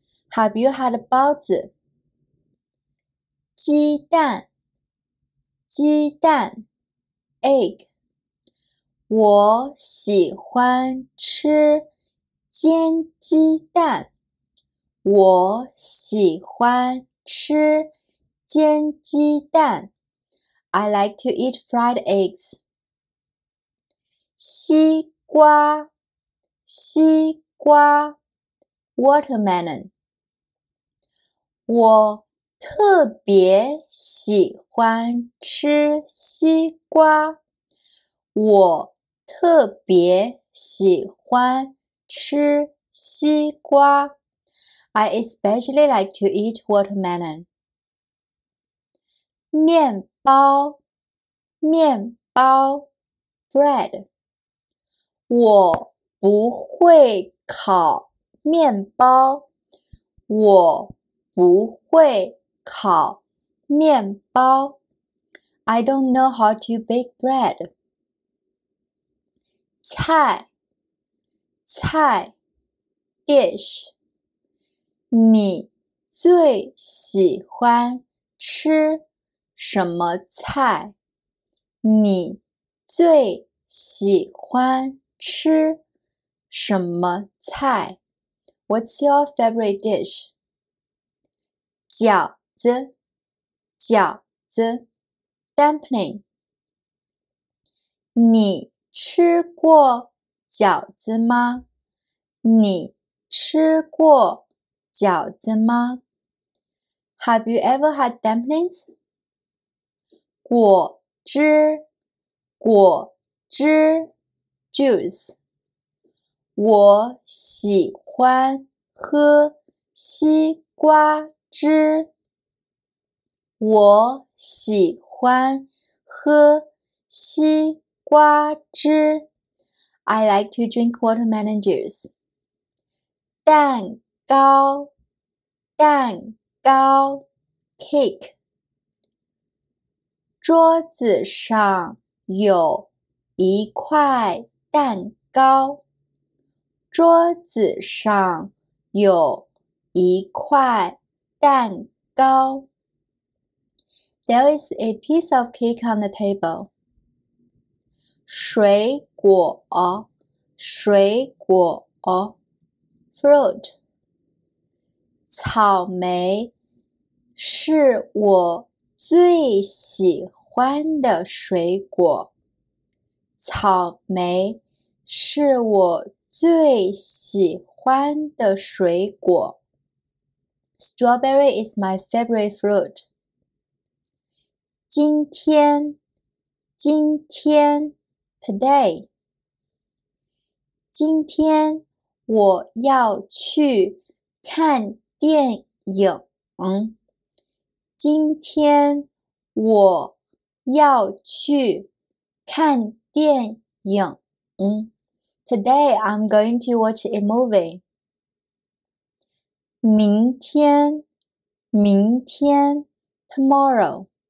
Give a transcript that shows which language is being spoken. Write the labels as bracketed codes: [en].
[en] Have you had 包子？ [zh] 鸡蛋鸡蛋 egg 我喜欢吃煎鸡蛋我喜欢吃煎鸡蛋 [en] I like to eat fried eggs [zh] 西瓜西瓜 watermelon 我特别喜欢吃西瓜我特别喜欢吃西瓜 [en] I especially like to eat watermelon [zh] 面包面包 bread 我不会烤面包我不会烤面包 [en] I don't know how to bake bread [zh] 菜菜 dish 你最喜欢吃什么菜你最喜欢吃什么菜 [en] What's your favorite dish? [zh] 饺子饺子 [en] Dumpling [zh] 你吃过饺子吗你吃过饺子吗 [en] Have you ever had dumplings? [zh] 果汁果汁 Juice我喜欢喝西瓜汁。我喜欢喝西瓜汁。 [en] I like to drink watermelon juice. [zh] 蛋糕蛋糕 cake 桌子上有一块蛋糕桌子上有一块蛋糕。 [en] There is a piece of cake on the table. [zh] 水果水果 [en] Fruit [zh] 草莓是我最喜欢的水果。草莓是我最喜欢的水果。 [en] Strawberry is my favorite fruit. [zh] 今天今天 today. 今天我要去看电影。今天我要去看电影。 [en] Today, I'm going to watch a movie. [zh] 明天明天 tomorrow.